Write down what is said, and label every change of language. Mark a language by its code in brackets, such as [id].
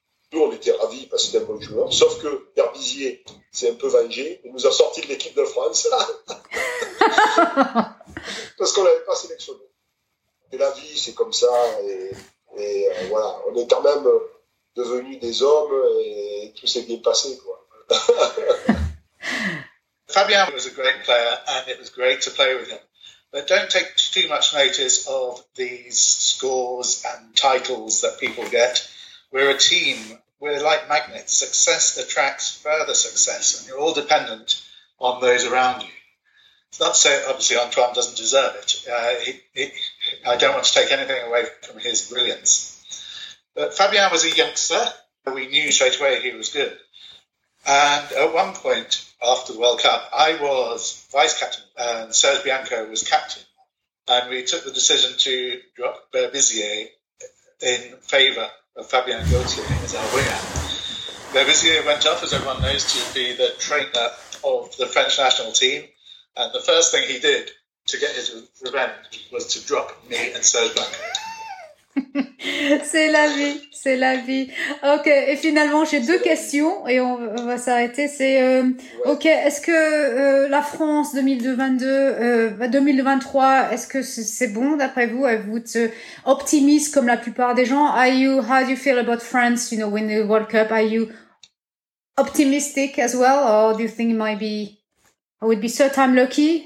[fr] Nous, on était ravis parce qu'il est un bon joueur. Sauf que Berbizier s'est un peu vengé. Il nous a sorti de l'équipe de France. Parce qu'on ne l'avait pas sélectionné. Et la vie, c'est comme ça. Et voilà, on est quand même devenus des hommes et tout s'est bien passé. Quoi. [en] Fabien was a great player and it was great to play with him. But don't take too much notice of these scores and titles that people get. We're a team, we're like magnets. Success attracts further success, and you're all dependent on those around you. It's not to say, obviously, Antoine doesn't deserve it. I don't want to take anything away from his brilliance. But Fabien was a youngster. We knew straight away he was good. And at one point after the World Cup, I was vice-captain, and Serge Bianco was captain. And we took the decision to drop Berbizier in favour of Fabien Galthié as our winger. Berbizier went off, as everyone knows, to be the trainer of the French national team. And the first thing he did to get his revenge was to drop me and Serge Blanco. [fr] C'est la vie, c'est la vie. Ok, et finalement, j'ai deux questions et on va s'arrêter. C'est, ouais. Ok, est-ce que la France 2023, est-ce que c'est bon d'après vous? Vous êtes optimiste comme la plupart des gens? [en] How do you feel about France, you know, winning the World Cup? Are you optimistic as well? Or do you think it might be, I would be so time lucky?